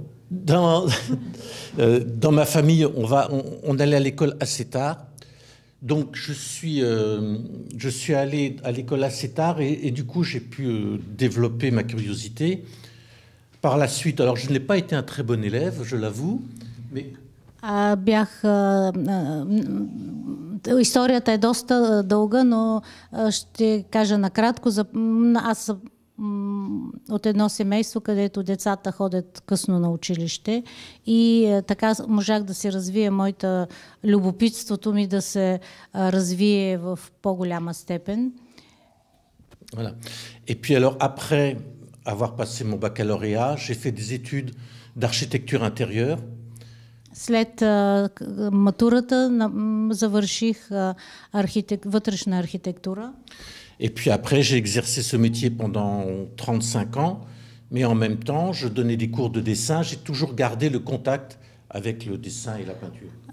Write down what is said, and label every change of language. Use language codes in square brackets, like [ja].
[fr] Dans ma famille, on allait à l'école assez tard. Donc je suis allé à l'école assez tard et du coup j'ai pu développer ma curiosité. Par la suite, alors je n'ai pas été un très bon élève, je l'avoue, mais... [bg] Бях... Историята е доста дълга, но ще кажа накратко. Аз съм от едно семейство, където децата ходят късно на училище и така можах да се развие моята любопитството ми да се развие в по-голяма степен. [fr] Voilà. Et puis alors après avoir passé mon baccalauréat, j'ai fait des études d'architecture intérieure. [bg] След матурата завърших вътрешна архитектура. [fr] Et puis après, j'ai exercé ce métier pendant 35 ans, mais en même temps, je donnais des cours de dessin. J'ai toujours gardé le contact avec le dessin et la peinture.